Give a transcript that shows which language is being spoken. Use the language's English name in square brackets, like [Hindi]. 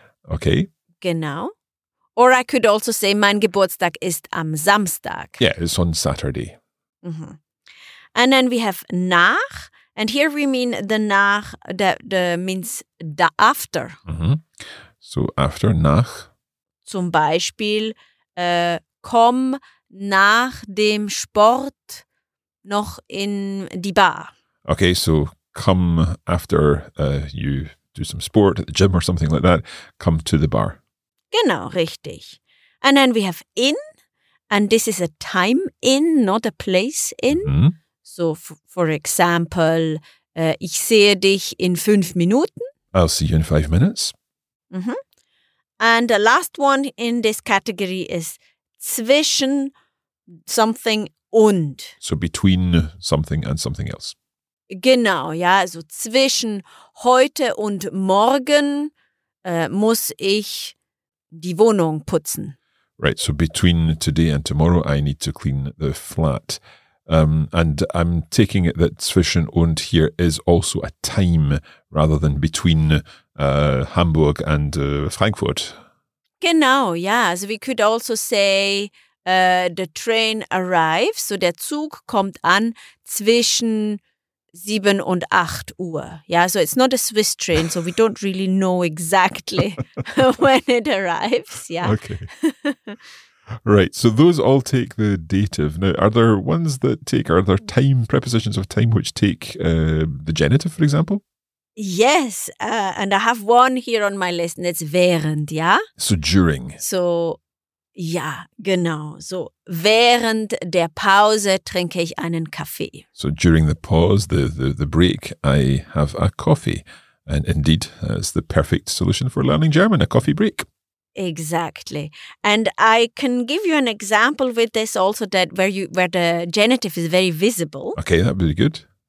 [English] Okay. [German] Genau. [English] Or I could also say [German] mein Geburtstag ist am Samstag. [English] Yeah, it's on Saturday. Mm-hmm. And then we have nach. And here we mean the nach, the means the after. Mm-hmm. So after, nach. [German] Zum Beispiel, komm nach dem Sport noch in die Bar. [English] Okay, so come after you do some sport at the gym or something like that, come to the bar. [German] Genau, richtig. [English] And then we have in, and this is a time in, not a place in. Mm-hmm. So, for example, [German] ich sehe dich in 5 Minuten. [English] I'll see you in 5 minutes. Mm-hmm. And the last one in this category is zwischen something und. So between something and something else. [German] Genau, ja. Also zwischen heute und morgen muss ich die Wohnung putzen. [English] Right, so between today and tomorrow I need to clean the flat. And I'm taking it that zwischen und here is also a time rather than between Hamburg and Frankfurt. [German] Genau, ja. [English] Also we could also say the train arrives. [German] So der Zug kommt an zwischen 7 und 8 Uhr. [English] Ja, so it's not a Swiss train, so we don't really know exactly when it arrives. Yeah. Okay. Right, so those all take the dative. Now, are there ones that take, are there time, prepositions of time which take the genitive, for example? Yes, and I have one here on my list, and it's während, ja? So during. [German] So, ja, genau. So, während der Pause trinke ich einen Kaffee. [English] So during the pause, the break, I have a coffee. And indeed, that's the perfect solution for learning German, a coffee break. Exactly. And I can give you an example with this also that where the genitive is very visible. Okay, that would be good.